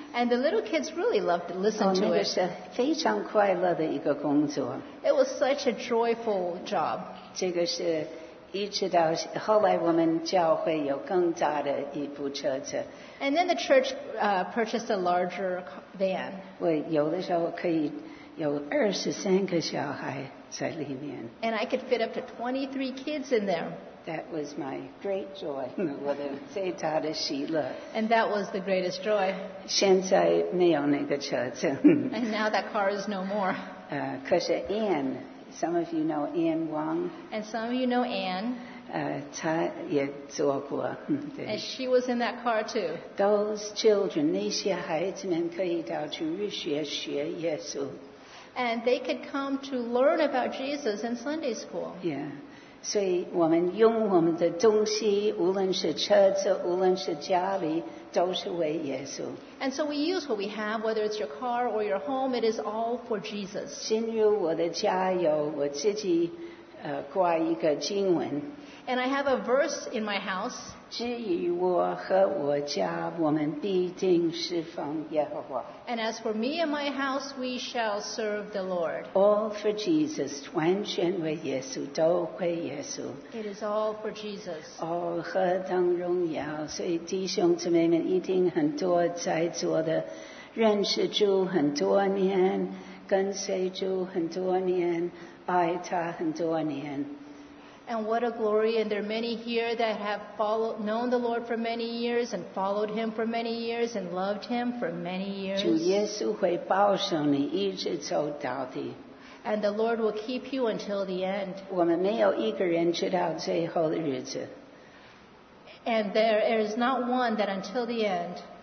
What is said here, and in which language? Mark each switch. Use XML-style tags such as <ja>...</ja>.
<en>And the little kids really loved to listen to it.</en> <zh>那个是非常快乐的一个工作。</zh> <en>It was such a joyful job.</en> <zh>这个是一直到后来我们教会有更大的一部车子。</zh> <en>And then the church purchased a larger van.</en> <zh>我有的时候可以有23个小孩在里面。</zh> <en>And I could fit up to 23 kids in there. That was my great joy.</en> <zh>我的最大的喜乐。</zh> <en>And that was the greatest joy.</en> <zh>现在没有那个车子。</zh> <en>And now that car is no more. 可是 Anne, some of you know Anne Wong. And some of you know Anne.</en> <zh>她也坐过。</zh> <en>And she was in that car too. Those children,</en> <zh>那些孩子们可以到主日学学耶稣。</zh> <en>And they could come to learn about Jesus in Sunday school. Yeah.</en> <zh>所以我们用我们的东西，无论是车子，无论是家里，都是为耶稣。</zh> <en>And so we use what we have, whether it's your car or your home, it is all for Jesus.</en> <zh>进入我的家有我自己挂一个经文。</zh> <en>And I have a verse in my house.</en> <zh>至于我和我家，我们必定侍奉耶和华。</zh> <en>And as for me and my house, we shall serve the Lord. All for Jesus,</en> <zh>完全为耶稣，都归耶稣。</zh> <en>It is all for Jesus.</en> <zh>哦，何等荣耀！所以弟兄姊妹们一定很多在座的，认识主很多年，跟随主很多年，爱他很多年。</zh> <en>And what a glory, and there are many here that have followed, known the Lord for many years and followed Him for many years and loved Him for many years.</en> <zh>主耶稣会保守你一直走到底。</zh> <en>And the Lord will keep you until the end.</en> <zh>我们没有一个人知道最后的日子。</zh> <en>And there is not one that until the end.</en>